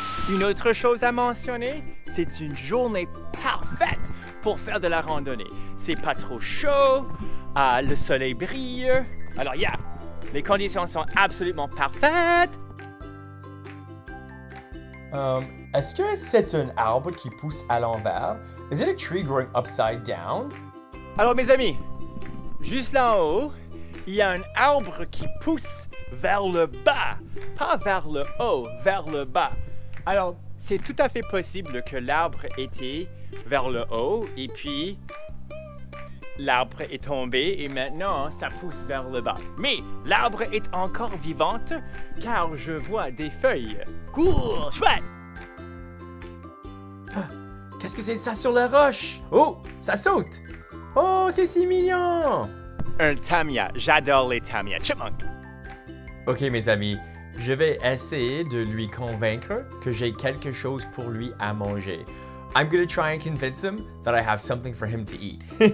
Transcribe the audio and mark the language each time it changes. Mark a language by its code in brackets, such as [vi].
[fr] Une autre chose à mentionner, c'est une journée parfaite pour faire de la randonnée. C'est pas trop chaud, le soleil brille. Alors, yeah, les conditions sont absolument parfaites. Est-ce que c'est un arbre qui pousse à l'envers? [en] Is it a tree growing upside down? [fr] Alors mes amis, juste là en haut, il y a un arbre qui pousse vers le bas. Pas vers le haut, vers le bas. Alors, c'est tout à fait possible que l'arbre était vers le haut et puis l'arbre est tombé et maintenant ça pousse vers le bas. Mais l'arbre est encore vivant car je vois des feuilles. Cours, chouette! Qu'est-ce que c'est ça sur la roche? Oh, ça saute! Oh, c'est si mignon! Un tamia, j'adore les tamia, chipmunk! Ok mes amis, je vais essayer de lui convaincre que j'ai quelque chose pour lui à manger. [en] I'm gonna try and convince him that I have something for him to eat.